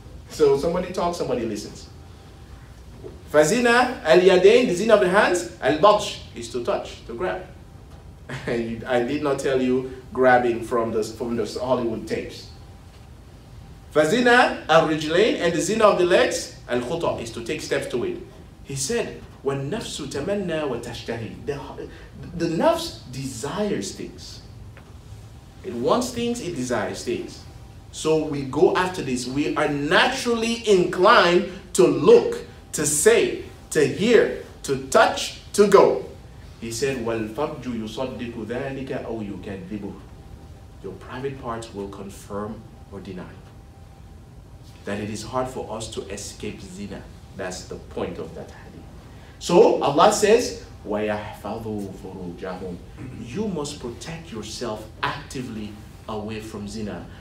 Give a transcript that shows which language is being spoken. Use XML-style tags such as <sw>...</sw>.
<en>So somebody talks, somebody listens.</en> <ar>فَزِنَا الْيَدَيْنِ.</ar> <en>The zina of the hands, الْبَطْشِ, is to touch, to grab. I did not tell you grabbing from the Hollywood tapes.</en> <ar>فَزِنَا الْرِجْلَيْنِ.</ar> <en>And the zina of the legs, الْخُطَعِ, is to take steps to it. He said,</en> <ar>وَالنَّفْسُ تَمَنَّى وَتَشْتَهِي.</ar> <en>The nafs desires things. It wants things, it desires things. So we go after this. We are naturally inclined to look, to say, to hear, to touch, to go. He said,</en> <ar>وَالْفَرْجُ يُصَدِّقُ ذَٰلِكَ أَوْ يُكَذِّبُهُ.</ar> <en>Your private parts will confirm or deny that it is hard for us to escape zina. That's the point of that hadith. So Allah says,</en> <ar>وَيَحْفَظُ فُرُوجَهُمْ.</ar> <en>You must protect yourself actively away from zina.</en>